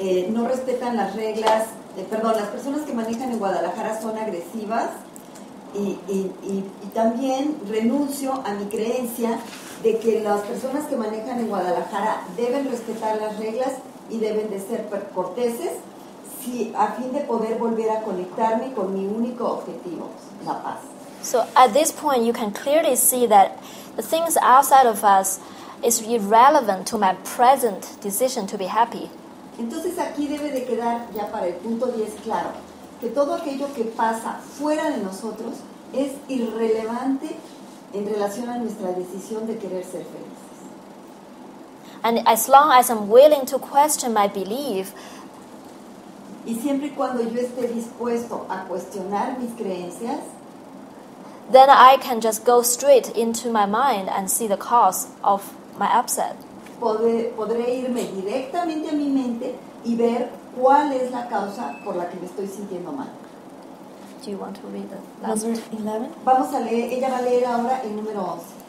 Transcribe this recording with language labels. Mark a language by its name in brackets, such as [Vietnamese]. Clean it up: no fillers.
[Spanish] no respetan las reglas, las personas que manejan en Guadalajara son agresivas, Y también renuncio a mi creencia de que las personas que manejan en Guadalajara deben respetar las reglas y deben de ser corteses si, a fin de poder volver a conectarme con mi único objetivo, la paz. [English] So at this point you can clearly see that the things outside of us is irrelevant to my present decision to be happy. [Spanish] Entonces aquí debe de quedar ya para el punto 10 claro. Que todo aquello que pasa fuera de nosotros es irrelevante en relación a nuestra decisión de querer ser felices. [English] And as long as I'm willing to question my belief, [Spanish] y siempre y cuando yo esté dispuesto a cuestionar mis creencias, [English] then I can just go straight into my mind and see the cause of my upset. [Spanish] Podré irme directamente a mi mente y ver cuál es la causa por la que me estoy sintiendo mal. [English] Do you want to read the last number 11? [Spanish] Vamos a leer, ella va a leer ahora el número 11.